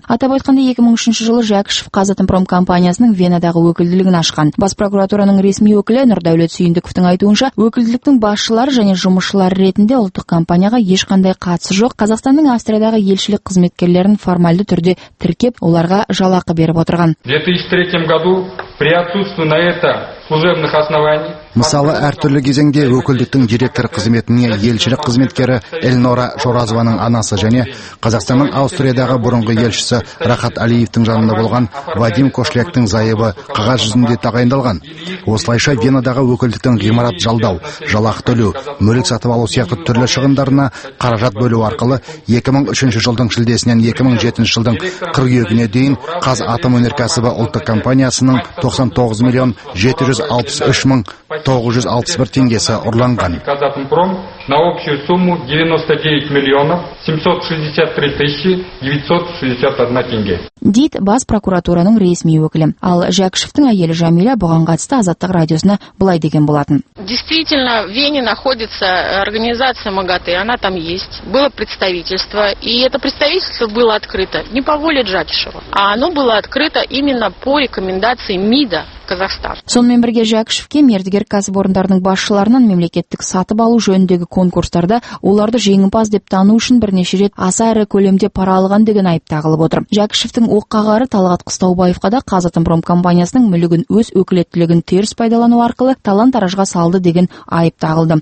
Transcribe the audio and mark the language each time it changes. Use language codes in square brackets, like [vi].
[kk] Атап айтқанда 2003 жылы Жәкішев Қазатомпром компаниясының Венадағы өкілдігін ашқан. Бас прокуратураның ресми өкілі Нұрдәулет Сүйіндіковтің айтуынша, өкілдіктің басшылары және жұмысшылары ретінде ұлттық компания ешқандай қатысы жоқ. Қазақстанның Австриядағы елшілік қызметкерлерін формальды түрде тіркеп, оларға жалақы беріп отырған. [ru] 2003 году при отсутствии на это служебных оснований. [kk] Мысалы, әртүрлі кезеңде өкілдіктің директор қызметіне елшілік қызметкері Элнора Жоразованың анасы және Қазақстанның Австриядағы бұрынғы елшісі Рахат Алиевтің жанында болған Вадим Кошляктың зайыбы қағаз жүзінде тағайындалған. Осылайша Венадағы өкілдіктің ғимарат жалдау, жалақы төлеу, мүлік сатып алу сияқты түрлі шығындарына қаражат бөлу арқылы 2003 жылдың шілдесінен 2007 жылдың қыркүйегіне дейін Қазатомөнеркәсібі ұлттық компаниясының 99,763,961 теңгесі ұрланған. [ru] Қазатомпром на общую сумму 99,763,961 теңге. [kk] Дейт бас прокуратураның ресми өкілі. Ал Жәкішевтің әйелі Жәмиля бұған қатысты Азаттық радиосына былай деген болатын. [ru] Действительно, в Вене находится организация МАГАТЭ, она там есть. Было представительство, и это представительство было открыто не по воле Жәкішева, а оно было открыто именно по рекомендации МИДа. [kk] Сонымен бірге Жәкішевке мердігер кәсіпорындардың басшыларынан мемлекеттік сатып алу жөніндегі конкурстарда оларды жеңімпаз деп тану үшін бірнеше рет аса ірі көлемде пара алған деген айып тағылып отыр. Жәкішевтің оққағары Талғат Қыстаубаевқа да Қазатомпром компаниясының мүлігін өз өкілеттілігін теріс пайдалану арқылы талан-таражға салды деген айып тағылды.